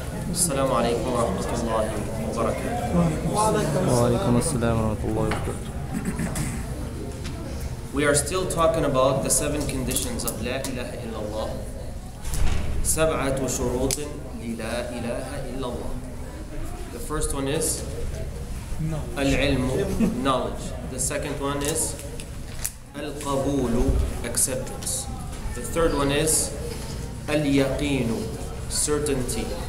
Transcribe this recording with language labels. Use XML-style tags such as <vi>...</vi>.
<ar>السلام عليكم ورحمة الله وبركاته. وعليكم السلام ورحمة الله وبركاته.</ar> <en>We are still talking about the seven conditions of</en> <ar>لا إله إلا الله. سبعة شروط للا إله إلا الله.</ar> <en>The first one is العلم, knowledge. The second one is القبول, acceptance. The third one is اليقين, certainty.</en>